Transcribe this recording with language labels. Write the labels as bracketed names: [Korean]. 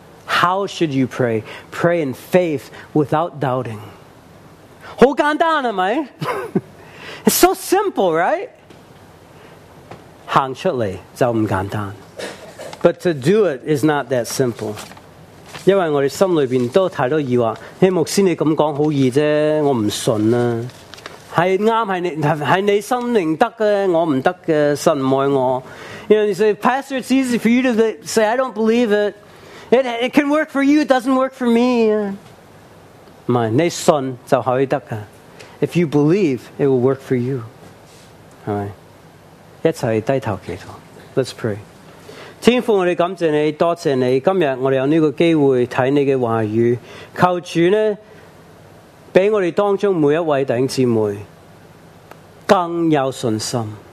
[English] How should you pray? Pray in faith without doubting. [Cantonese] 好简单系咪？ [English] It's so simple, right? [Cantonese] 行出嚟就唔简单 [English] ，but to do it is not that simple. [Cantonese] 因为我哋心里边都太多疑惑。希牧师你咁讲好易啫，我唔信啦。系啱系你系你心灵得嘅，我唔得嘅，神唔爱我。 [English] You know, you say, Pastor, it's easy for you to say I don't believe it. It can work for you, it doesn't work for me. [Cantonese] My, 你信就可以得噶。 [English] If you believe, it will work for you. [Cantonese] 系，一齐低头祈祷。 [English] Let's pray. [Cantonese] 天父，我哋感谢你，多谢你。今日我哋有呢个机会睇你嘅话语，求主呢，俾我哋当中每一位弟兄姊妹更有信心，